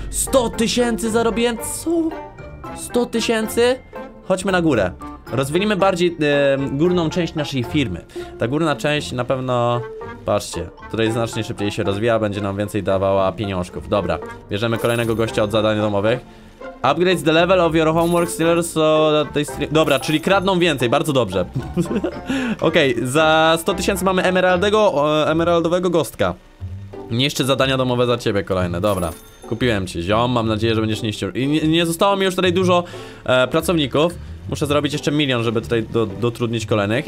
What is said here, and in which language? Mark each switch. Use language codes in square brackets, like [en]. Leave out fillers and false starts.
[pl] 100 tysięcy zarobiłem, co? 100 tysięcy? Chodźmy na górę. Rozwinimy bardziej górną część naszej firmy. Ta górna część na pewno... Patrzcie, tutaj znacznie szybciej się rozwija, będzie nam więcej dawała pieniążków. Dobra, bierzemy kolejnego gościa od zadań domowych. [en] Upgrade the level of your homework stealers, so they stream... [pl] Dobra, czyli kradną więcej, bardzo dobrze. Okej, okay, za 100 tysięcy mamy emeraldowego gostka. Niszczy zadania domowe za ciebie kolejne, dobra. Kupiłem ci, ziom, mam nadzieję, że będziesz niszczył. I nie zostało mi już tutaj dużo pracowników. Muszę zrobić jeszcze milion, żeby tutaj dotrudnić kolejnych.